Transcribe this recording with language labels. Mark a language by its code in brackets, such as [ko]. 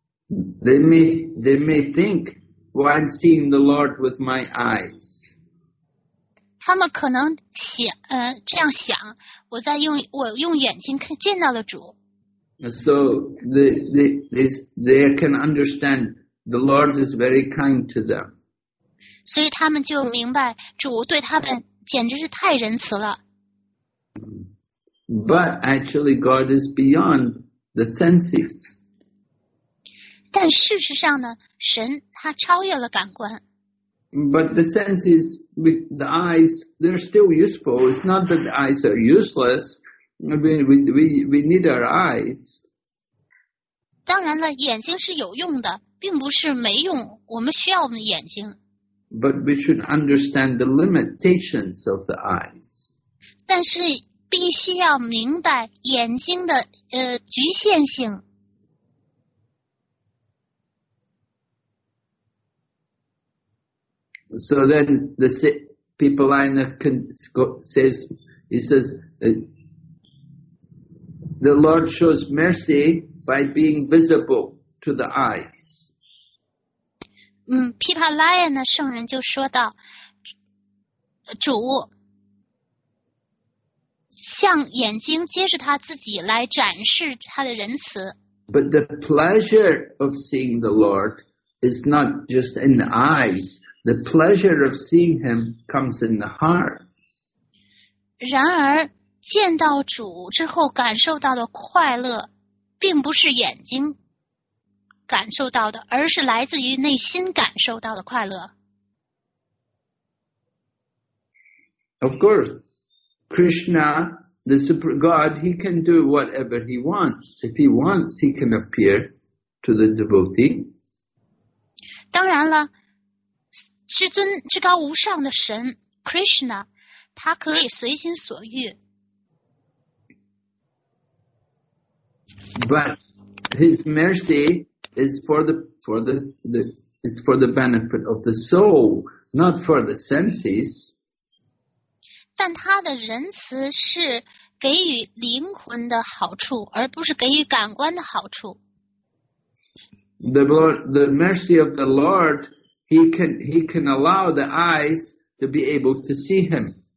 [en] They may think, "Well, I'm seeing the Lord with my eyes." [zh] 他们可能想，这样想，我用眼睛看见到了主。 [en] So they can understand the Lord is very kind to them. [zh] 所以他们就明白主对他们简直是太仁慈了。 [en] But actually, God is beyond the senses. [zh] 但事实上呢，神他超越了感官。 [en] But the senses, with the eyes, they're still useful. It's not that the eyes are useless. We need our eyes. [zh] 当然了，眼睛是有用的，并不是没用。我们需要我们的眼睛。 [en] But we should understand the limitations of the eyes. [zh] 但是必须要明白眼睛的局限性。 [en] So then the people line says, he says, the Lord shows mercy by being visible to the eyes. [zh] 琵琶拉耶呢圣人就说到主向眼睛接着他自己来展示他的仁慈。 [en] But the pleasure of seeing the Lord is not just in the eyes. The pleasure of seeing him comes in the heart. [zh] 然而见到主之后感受到的快乐并不是眼睛感受到的，而是来自于内心感受到的快乐。 [en] Of course, Krishna, the Supreme God, he can do whatever he wants. If he wants, he can appear to the devotee. [zh] 当然了，至尊至高无上的神 Krishna, 他可以随心所欲。 [en] But his mercy is for the benefit of the soul, not for the senses. [zh] 但他的仁慈是给予灵魂的好处，而不是给予感官的好处。 [en] The mercy of the Lord, he can allow the eyes to be able to see him.